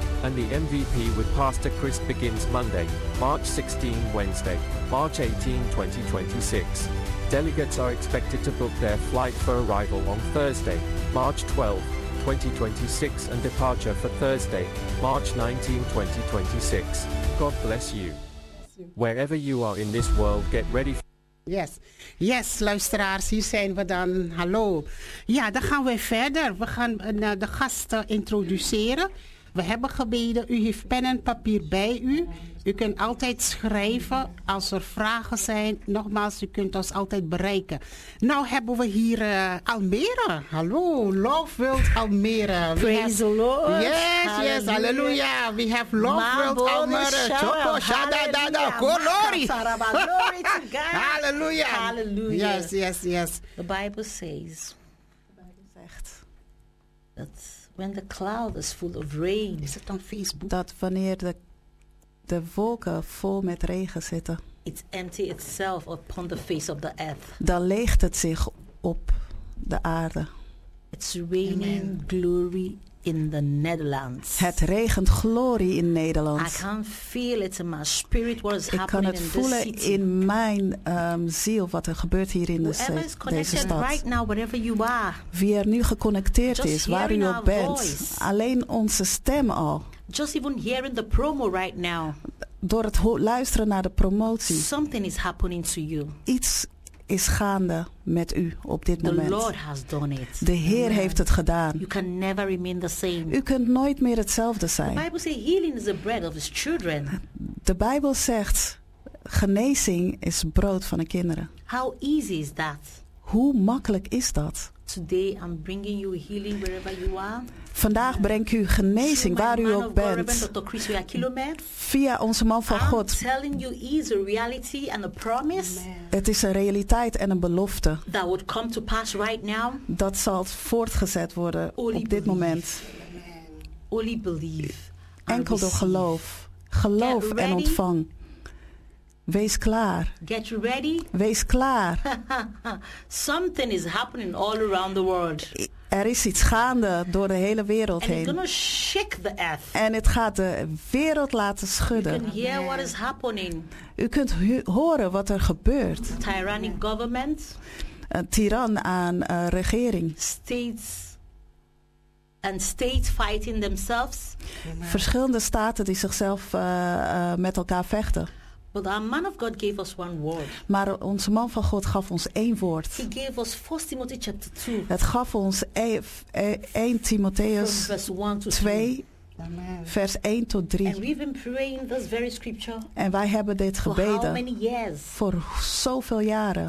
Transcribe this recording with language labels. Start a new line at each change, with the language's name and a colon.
English: And the MVP with Pastor Chris begins Monday, March 16, Wednesday, March 18, 2026. Delegates are expected to book their flight for arrival on Thursday, March 12, 2026, and departure for Thursday, March 19, 2026. God bless you. Wherever you are in this world, get ready. Yes, yes,
Dutch: luisteraars, hier zijn we dan. Hallo. Ja, dan gaan we verder. We gaan de gasten introduceren. We hebben gebeden, u heeft pen en papier bij u. U kunt altijd schrijven als er vragen zijn. Nogmaals, u kunt ons altijd bereiken. Nou hebben we hier Almere. Hallo, Love World Almere.
English: Praise the Lord. Yes, yes, halleluja. We have Love World Almere. Choco, shada, dada, glory. Halleluja. Yes, yes, yes. The Bible says, that when the cloud is full of rain,
Dutch: is het dan Facebook? Dat wanneer de wolken vol met regen zitten,
English: it's empty itself upon the face of the earth.
Dutch: Dan leegt het zich op de aarde.
English: It's raining glory in the Netherlands.
Dutch: Het regent glorie in Nederland.
English: I can feel it in my spirit what is happening in
Dutch: this. Ik kan het voelen in mijn ziel wat er gebeurt hier in deze stad.
English: Right now, wherever you are.
Dutch: Wie er nu geconnecteerd
English: just
Dutch: is, waar u ook bent.
English: Voice.
Dutch: Alleen onze stem al.
English: Just even hearing the promo right now.
Dutch: Door het luisteren naar de promotie.
English: Something is happening to you.
Dutch: Iets is gaande met u op dit moment.
English: The Lord has done it.
Dutch: De Heer heeft het gedaan.
English: You can never remain the same.
Dutch: U kunt nooit meer hetzelfde zijn.
English: The Bible says healing is the bread of his children.
Dutch: De Bijbel zegt genezing is brood van de kinderen.
English: How easy is that?
Dutch: Hoe makkelijk is dat?
English: Today I'm bringing you healing wherever you are.
Dutch: Vandaag breng ik u genezing waar u ook bent. Via onze man van God.
English: I'm telling you, is a reality and a promise.
Dutch: Het is een realiteit en een belofte.
English: That would come to pass right now.
Dutch: Dat zal voortgezet worden
English: only
Dutch: op dit moment.
English: Only believe.
Dutch: Enkel door geloof. Geloof en ontvang. Wees klaar.
English: Get ready.
Dutch: Wees klaar.
English: Something is happening all around the world.
Dutch: Er is iets gaande door de hele wereld
English: and
Dutch: heen.
English: It's gonna shake the earth.
Dutch: En het gaat de wereld laten schudden.
English: You can hear what is happening.
Dutch: U kunt horen wat er gebeurt.
English: Tyrannic government.
Dutch: Een tiran aan regering.
English: States. And states fighting themselves.
Dutch: Verschillende staten die zichzelf met elkaar vechten.
English: But our man of God gave us one word.
Dutch: Maar onze man van God gaf ons één woord.
English: He gave us 1 Timothy chapter 2.
Dutch: Het gaf ons 1 Timotheus 2.
English: Amen.
Dutch: Vers 1 tot 3.
English: And we've been praying this very scripture.
Dutch: En wij hebben dit gebeden.
English: For how many years?
Dutch: Voor zoveel jaren.